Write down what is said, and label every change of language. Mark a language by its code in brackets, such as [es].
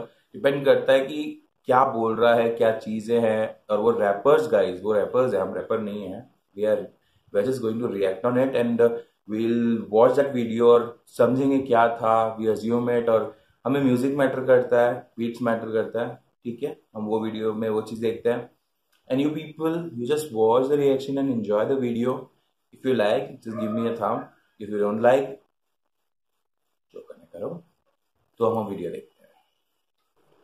[hi] अब डिपेंड करता है कि क्या बोल रहा है, क्या चीज़ें हैं, और वो रैपर्स गाइज वो रैपर्स हैं, हम रैपर नहीं हैं, [en] we are We are just going to react on it and we'll watch that video [hi] और समझेंगे क्या था, [en] we assume it, [hi] और हमें music matter करता है, beats matter करता है, ठीक है हम वो video में वो चीज़ देखते हैं। [en] And you people, you just watch the reaction and enjoy the video. If you like, just give me a thumb. If you don't like, [hi] जो करने करो, तो हम video देखते हैं।